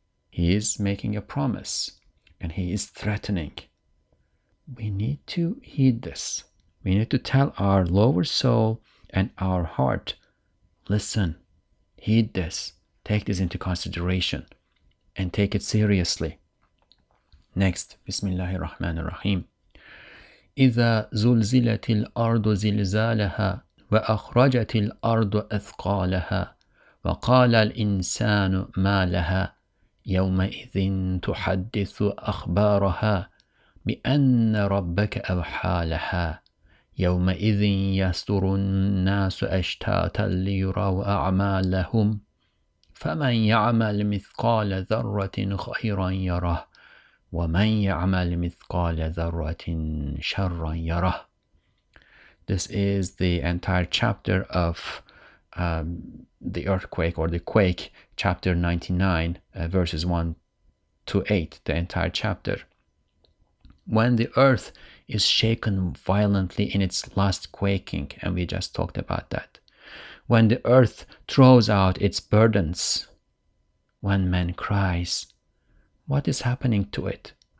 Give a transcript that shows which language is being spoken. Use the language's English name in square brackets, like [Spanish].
[English] He is making a promise, and he is threatening. We need to heed this. We need to tell our lower soul and our heart, listen, heed this, take this into consideration, and take it seriously. Next, Bismillahir Rahmanir Rahim. [Arabic] إِذَا زُلْزِلَتِ الْأَرْضُ زِلْزَالَهَا وَأَخْرَجَتِ الْأَرْضُ أَثْقَالَهَا وقال الإنسان ما لها يومئذ تحدث أخبارها بأن ربك أوحى لها يومئذ يصدر الناس أشتاتا ليروا أعمالهم فمن يعمل مثقال ذرة خيرا يره ومن يعمل مثقال ذرة شرا يره. [English] This is the entire chapter of the earthquake, or the quake, chapter 99, verses 1 to 8, the entire chapter. When the earth is shaken violently in its last quaking, and we just talked about that, when the earth throws out its burdens, when man cries, what is happening to it?